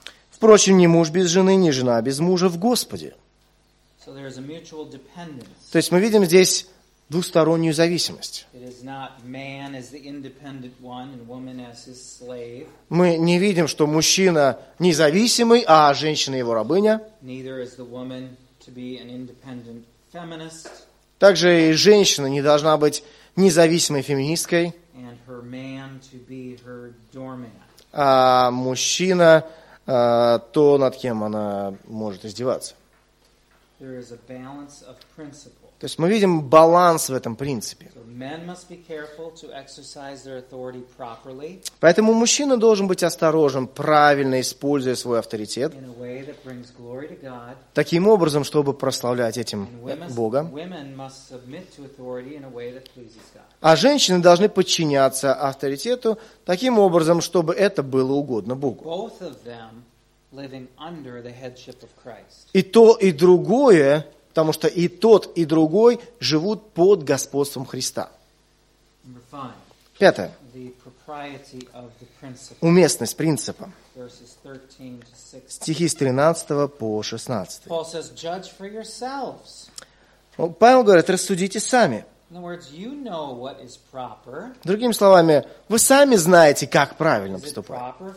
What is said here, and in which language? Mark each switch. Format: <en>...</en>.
<ru>Впрочем, не муж без жены, не жена без мужа в Господе.</ru> <en>So there is a mutual dependence.</en> <ru>То есть мы видим здесь двустороннюю зависимость.</ru> <en>It is not man as the independent one and woman as his slave.</en> <ru>Мы не видим, что мужчина независимый, а женщина его рабыня.</ru> <en>Neither is the woman to be an independent feminist.</en> <ru>Также и женщина не должна быть независимой феминисткой.</ru> <en>And her man to be her doorman.</en> <ru>А мужчина то, над кем она может издеваться.</ru> <en>there is a balance of principle.</en> <ru>То есть мы видим баланс в этом принципе.</ru> <en>So men must be careful to exercise their authority properly.</en> <ru>Поэтому мужчина должен быть осторожен, правильно используя свой авторитет.</ru> <en>In a way that brings glory to God.</en> <ru>Таким образом, чтобы прославлять этим Бога.</ru> <en>Women must submit to authority in a way that pleases God.</en> <ru>А женщины должны подчиняться авторитету таким образом, чтобы это было угодно Богу.</ru> <en>Both of them living under the headship of Christ.</en> <ru>И то, и другое, потому что и тот, и другой живут под господством Христа. Пятое.</ru> <en>The propriety of the principle.</en> <ru>Уместность принципа.</ru> <en>Verses 13 to 16.</en> <ru>Стихи с 13 по 16.</ru> <en>Paul says, judge for yourselves.</en> <ru>Павел говорит, рассудите сами.</ru> <en>In other words, you know what is proper.</en> <ru>Другими словами, вы сами знаете, как правильно поступать.</ru>